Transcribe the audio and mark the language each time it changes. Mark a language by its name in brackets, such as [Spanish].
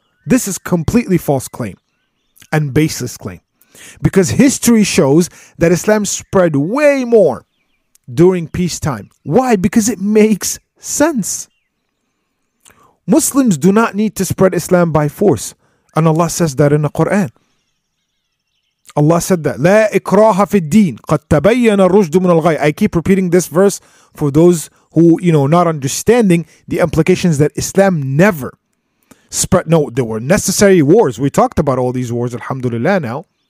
[English] This is completely false claim and baseless claim. Because history shows that Islam spread way more during peacetime. Why? Because it makes sense. Muslims do not need to spread Islam by force. And Allah says that in the Quran. Allah said that. [Arabic] لا إكراه في الدين قد تبين الرشد من الغي. [English] I keep repeating this verse for those who, you know, not understanding the implications that Islam never spread. No, there were necessary wars. We talked about all these wars, alhamdulillah, now.